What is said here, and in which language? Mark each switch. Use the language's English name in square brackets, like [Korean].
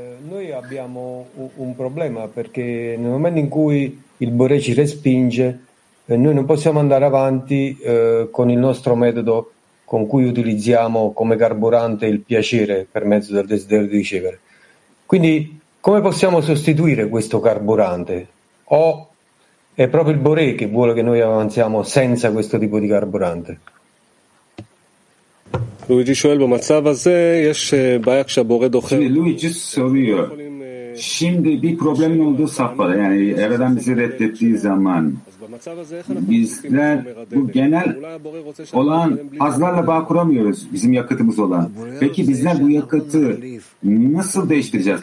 [Italian] Noi abbiamo un problema perché nel momento in cui il Bore ci respinge, noi non possiamo andare avanti con il nostro metodo con cui utilizziamo come carburante il piacere per mezzo del desiderio di ricevere. Quindi, come possiamo sostituire questo carburante? O è proprio il Bore che vuole che noi avanziamo senza questo tipo di carburante? [Hebrew] Luigi שואל, במצב הזה יש בעיה כשהבורא דוחר. [Turkish] Luigi soruyor. Şimdi bir problemin olduğu safhada, yani Yaradan bizi reddettiği zaman bizler bu genel olan azlarla bağ kuramıyoruz, bizim yakıtımız olan. Peki bizler bu yakıtı nasıl değiştireceğiz?